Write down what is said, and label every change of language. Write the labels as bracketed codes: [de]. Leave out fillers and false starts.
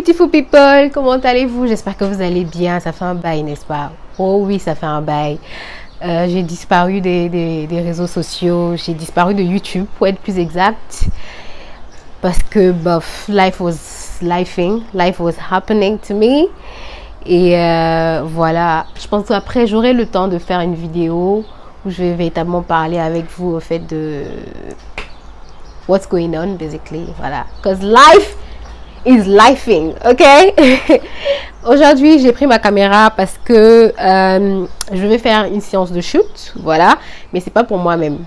[fr] people, comment allez-vous? J'espère que vous allez bien. Ça fait un bail, n'est-ce pas? Oh oui, ça fait un bail. J'ai disparu des réseaux sociaux. J'ai disparu de YouTube, pour être plus exact. Parce que, bof, [en] life was happening to me. [fr] Et voilà, je pense qu'après, j'aurai le temps de faire une vidéo où je vais véritablement parler avec vous au fait de [en] what's going on, basically. [fr] Voilà. [en] Cause life is lifing, ok? [fr] Aujourd'hui, j'ai pris ma caméra parce que je vais faire une séance de shoot, voilà. Mais c'est pas pour moi-même.